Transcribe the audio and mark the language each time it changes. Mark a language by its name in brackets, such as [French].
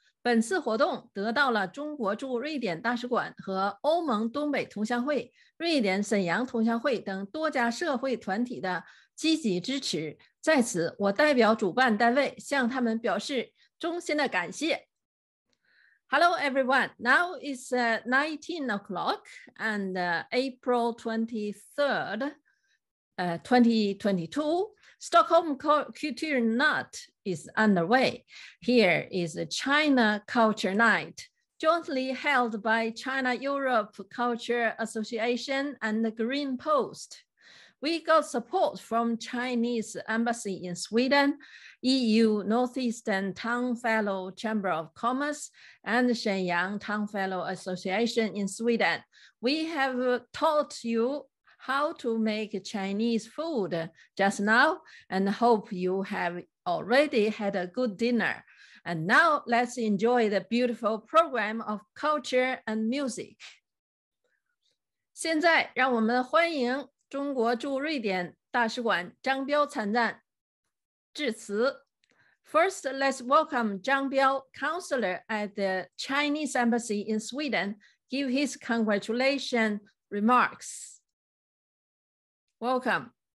[Chinese] 本次活动得到了中国驻瑞典大使馆和欧盟东北同乡会、瑞典沈阳同乡会等多家社会团体的积极支持，在此我代表主办单位向他们表示衷心的感谢。 [English] Hello everyone, now it's 19 o'clock and April 23rd, 2022. Stockholm Kulturnatt is underway. Here is a China Culture Night, jointly held by China Europe Culture Association and the Green Post. We got support from Chinese Embassy in Sweden, EU Northeastern Town Fellow Chamber of Commerce, and Shenyang Town Fellow Association in Sweden. We have taught youhow to make Chinese food just now, and hope you have already had a good dinner. And now let's enjoy the beautiful program of culture and music. [Chinese] 现在让我们欢迎中国驻瑞典大使馆张彪参赞致辞。 [English] First, let's welcome 张彪, counselor at the Chinese Embassy in Sweden, give his congratulations remarks. Welcome.